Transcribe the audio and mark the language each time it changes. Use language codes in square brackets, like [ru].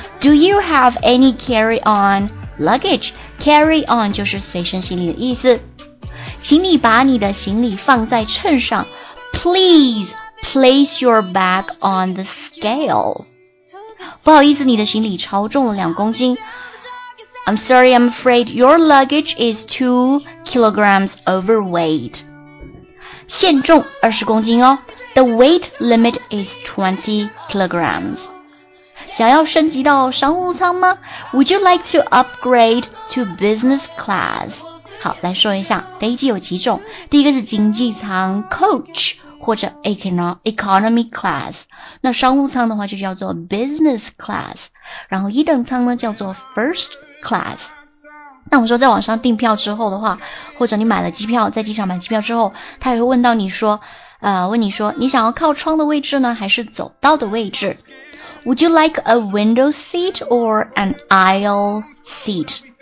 [en] Do you have any carry on luggage？ Carry on [zh] 就是随身行李的意思。请你把你的行李放在秤上， [en] Please place your bag on the scale。 [zh] 不好意思，你的行李超重了2公斤。 [en] I'm sorry, I'm afraid your luggage is 2 kilograms overweight。 [zh] 限重20公斤哦。 [en] The weight limit is 20 kilograms. [zh] 想要升级到商务舱吗？ [en] Would you like to upgrade to business class? [zh] 好，来说一下，飞机有几种。第一个是经济舱 coach 或者 economy class。那商务舱的话就叫做 business class。然后一等舱呢叫做 first class。那我说在网上订票之后的话，或者你买了机票，在机场买机票之后，他也会问到你说问你说你想要靠窗的位置呢还是走道的位置。 [en] Would you like a window seat or an aisle seat?